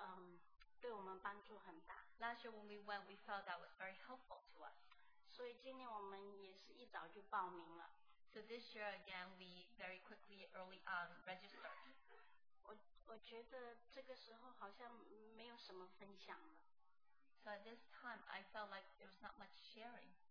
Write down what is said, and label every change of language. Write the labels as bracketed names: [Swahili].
[Chinese] 我们去年去的时候就是觉得对我们帮助很大。 [English] Last year when we went, we felt that was very helpful to us. [Chinese] 所以今年我们也是一早就报名了。 [English] So this year again, we very quickly early on registered. [Chinese] 我觉得这个时候好像没有什么分享了。 [English] So at this time, I felt like there was not much sharing.